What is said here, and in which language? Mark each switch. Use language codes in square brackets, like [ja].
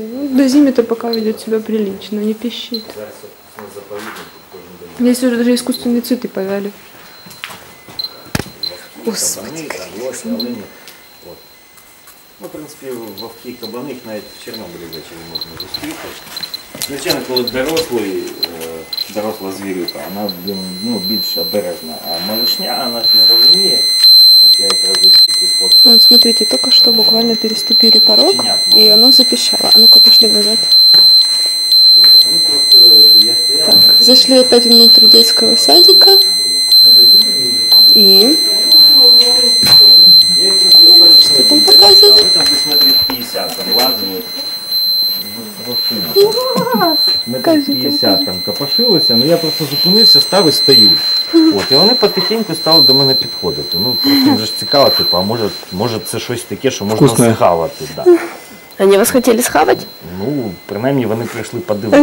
[ru] Ну, до зимы-то пока ведет себя прилично, не пищит. Здесь уже даже искусственные цветы повяли. Господи, ну, в принципе, вовки и кабаны, их на в Чернобыле зачем можно застрелить. [uk] Звичайно, коли дорослий, доросла звірюка, вона, ну, більш обережна, а малышня, вона ж не розуміє. От я якраз тільки фото. [ru] Вот смотрите, только что буквально переступили порог, и оно запищало. А ну-ка, пошли назад. Ну, просто я стоял. Так, зашли опять внутрь детского садика. И... Что там показывает? А вы там, посмотри, в 50-м лазают. Класс! [uk] Метр 50-м копошилося, но я просто зупинився, став і стою. От, і вони потихеньку стали до мене підходити. Ну, просто їм же ж цікаво, типу, а може, може це щось таке, що можна схавати. [ru] Да. [uk] Вони вас хотіли схавати? Ну, принаймні, вони прийшли подивитися.